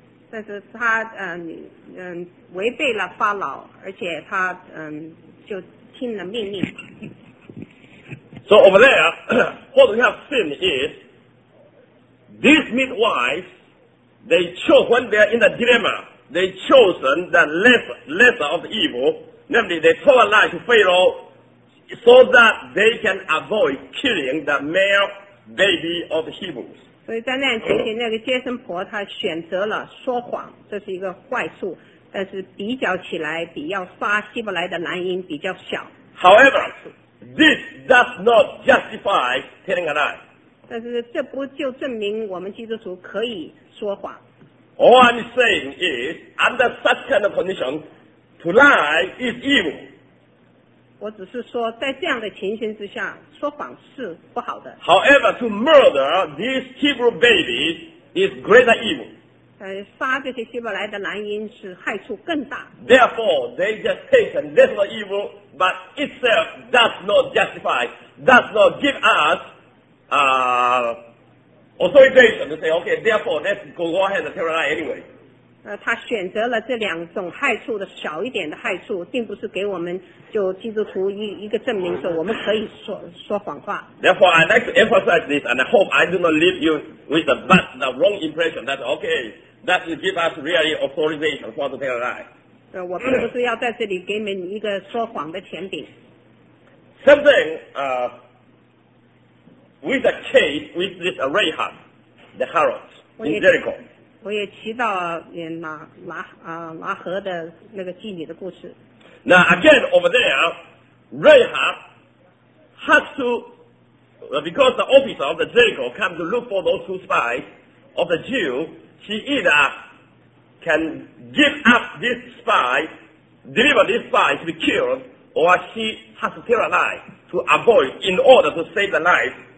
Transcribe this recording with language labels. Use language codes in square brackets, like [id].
[zh] 但是他违背了法老，而且他就听了命令。 [en] So over there, what we have seen is, these midwives, they chose when they are in a dilemma. They chosen the lesser of evil, namely they told a lie to Pharaoh so that they can avoid killing the male baby of the Hebrews. [zh] 所以在那样情形，那个接生婆她选择了说谎，这是一个坏处，但是比较起来，比要杀希伯来的男婴比较小。 [en] However, this does not justify telling a lie. [zh] 但是这不就证明我们基督徒可以说谎。 [en] All I'm saying is, under such kind of condition, to lie is evil. [zh] 我只是说，在这样的情形之下，说谎是不好的。 [en] However, to murder these Hebrew babies is greater evil. [zh] 杀这些希伯来的男婴是害处更大。 [en] Therefore, they just take a little evil, but itself does not justify, does not give us, Authorization to say, okay, therefore, let's go ahead and tell a lie anyway. Therefore, I'd like to emphasize this, and I hope I do not leave you with the wrong impression that, okay, that will give us really authorization for to tell a lie. [zh] 我并不是要在这里给你们一个说谎的权柄。 [en] Something, with the case with this Rahab, the harlot in Jericho. [zh] 我也提到拿何的那个妓女的故事。 [en] Now again over there, Rahab has to, because the officer of the Jericho come to look for those two spies of the Jew, she either can give up this spy, deliver this spy to be killed, or she has to tell a lie to avoid, in order to save the life.